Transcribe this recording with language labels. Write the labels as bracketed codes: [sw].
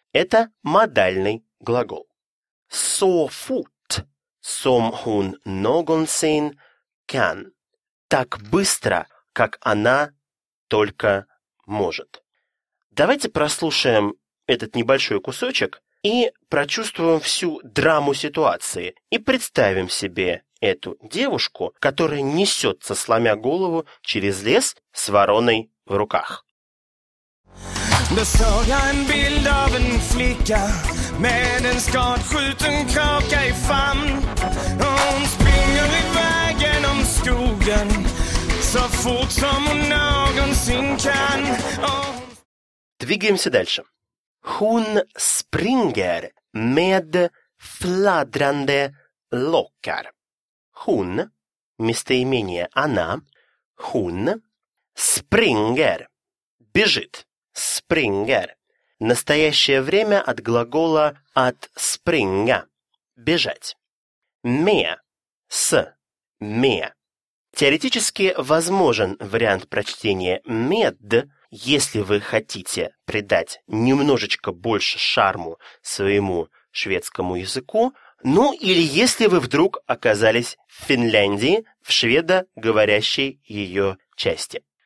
[ru] Это модальный глагол. [sv] «Со фут» – «сом хун ногонсен кан» [ru] – «так быстро, как она только может». Давайте прослушаем этот небольшой кусочек и прочувствуем всю драму ситуации и представим себе эту девушку, которая несется, сломя голову, через лес с вороной в руках. [sv] Då såg jag en bild av en flicka med en skadskjuten kråka i famn. Hon springer iväg genom skogen så fort som hon någonsin kan. [ru] Двигаемся дальше. [sv] Hon springer med fladdrande lockar. Hon, [ru] местоимение она, [sv] hon, springer, [ru] бежит, [sv] springer. [ru] Настоящее время от глагола от springa, бежать. [sv] Med, [ru] с, [sv] med. [ru] Теоретически возможен вариант прочтения med, если вы хотите придать немножечко больше шарму своему шведскому языку, ну или если вы вдруг оказались в Финляндии, в шведоговорящей ее части.